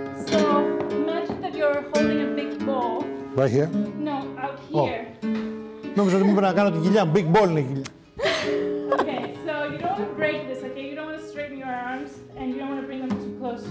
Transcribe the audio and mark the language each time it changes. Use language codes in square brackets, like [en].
[en] So imagine that you're holding a big ball. Right here? No, out here. [el] Νομίζω ότι πρέπει να κάνω την κοιλιά. [en] Big ball [el] είναι η κοιλιά. [en] Okay, so you don't want to break this, okay? You don't want to straighten your arms and you don't want to bring them too close.